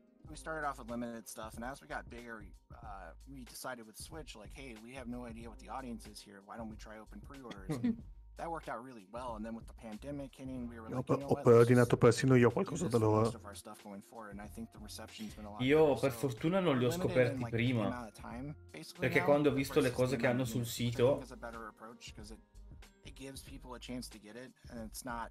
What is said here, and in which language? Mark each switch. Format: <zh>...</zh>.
<en>We started off with limited stuff, and as we got bigger, we decided with Switch, like, hey, we have no idea what the audience is here. Why don't we try open pre-orders? That worked out really well, and then with the pandemic hitting, we were like,</en> <it>ordinato persino io qualcosa da loro.</it> <en>Of our stuff going forward, and I think the reception's been a lot.</en> <it>Io per fortuna non li ho scoperti prima, perché quando ho visto le cose che hanno sul sito,</it> <en>it gives people a chance to get it, and it's not.</en>